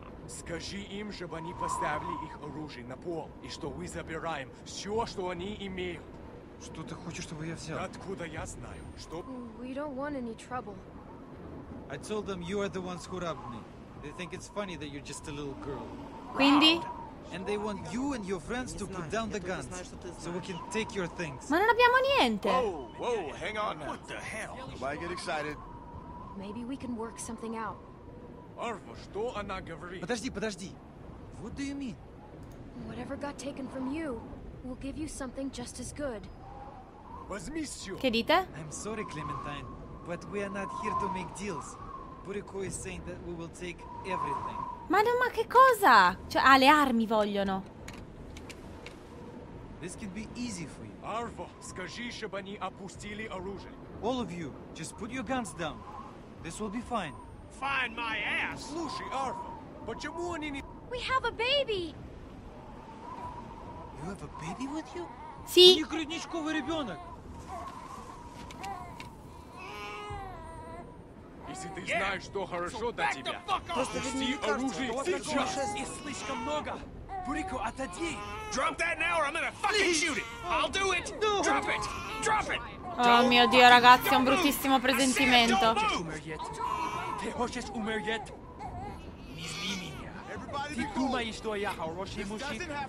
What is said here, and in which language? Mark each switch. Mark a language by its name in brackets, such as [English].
[Russian] Скажи им, чтобы они поставили их оружие на пол, и что мы забираем все, что они имеют. Что ты хочешь, чтобы я взял? Откуда я знаю, что... [English] We don't want any trouble. I told them you are the ones who robbed me. They think it's funny that you're just a little girl. [Italian] Quindi? [English] And they want you and your friends to put down the guns, so we can take your things. [Italian] Ma non abbiamo niente! [English] Whoa, whoa, hang on now. What the hell? Why get excited? Maybe we can work something out. [Russian] Arvo, что она говорит? Подожди, подожди. [English] What do you mean? Whatever got taken from you, we'll give you something just as good. [Italian] Che dite? [English] I'm sorry, Clementine, but we are not here to make deals. Buriko is saying that we will take everything. [Italian] Ma che cosa? Cioè, ah, le armi vogliono. [English] This could be easy for you. [Russian] Arvo, скажи, щоб они опустили оружие. [English] All of you, just put your guns down. This will be fine. Fine, my ass. [Russian] Слушай, Арво, почему они не... [English] We have a baby. You have a baby with you? [Italian] Sì. [Russian] У них грудничковый ребенок. Если ты знаешь, что хорошо для тебя, просто пусти оружие сейчас. Их слишком много. Бурико, отойди. [English] Drop that now or I'm gonna fucking shoot it. I'll do it. No. Drop it. Drop it. [Italian] Oh mio Dio, ragazzi, è un bruttissimo presentimento. [Russian] Ты хочешь умереть? Не зли меня. Ты думаешь, что я хороший мужик?